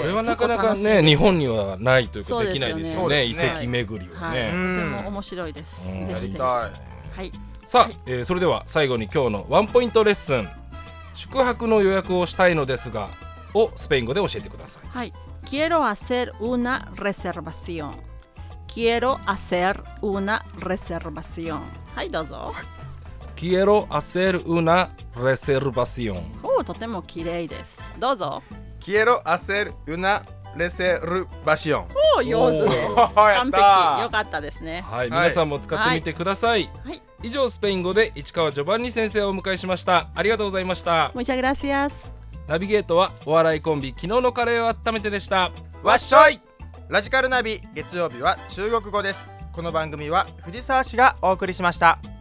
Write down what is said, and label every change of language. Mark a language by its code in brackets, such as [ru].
[ja] それはなかなかね、日本にはないというか、できないですよ ね、遺跡巡りはね、はい、とても面白いです。やりたい、はい、さあ、それでは最後に今日のワンポイントレッスン、宿泊の予約をしたいのですが、をスペイン語で教えてください。はい。 [es] Quiero hacer una reservación. Quiero hacer una reservación. [ja] はい、どうぞ。 [es] Quiero hacer una reservación. [ja] おお、とても綺麗です。どうぞ。 [es] Quiero hacer una reservación. [ja] おお、上手です。完璧。よかったですね。はい、皆さんも使ってみてください。はい。はい、以上、スペイン語で市川ジョバンニ先生をお迎えしました。ありがとうございました。 [es] Muchas gracias. [ja] ナビゲートはお笑いコンビ昨日のカレーを温めてでした。わっしょい。ラジカルナビ、月曜日は中国語です。この番組は藤沢市がお送りしました。